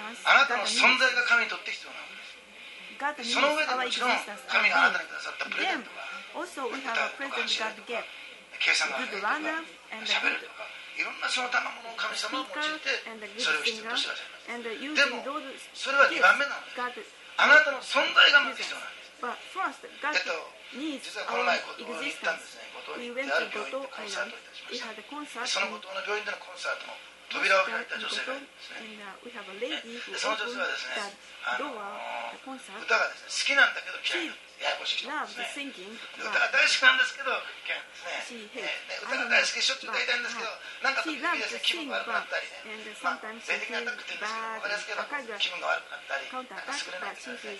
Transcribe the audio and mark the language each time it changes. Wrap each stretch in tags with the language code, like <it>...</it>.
<ja>あなたの存在が神にとって必要なのです。その上でもちろん神があなたにくださったプレゼントは。</ja> <en>Also, we have a present God gave. Good runner and a good speaker and a good singer and using those gifts. God needs you. But first, God needs our existence. We went to Goto Island. We had a concert.</en> <ja>その後の病院でのコンサートも扉を開いた女性がですね。</ja> <en>And we have a lady who opened the door. The concert.</en> <ja>歌がですね、好きなんだけど嫌いな。ややこしい人ですね。歌が大好きなんですけど、ですね。歌が大好きでしょっちゅう歌いたいんですけど、なんか時々ですね、気分が悪くなったりね。まあ、全然なくていいんですけど、わかりますけど、気分が悪くなったり、少ないですね。</ja>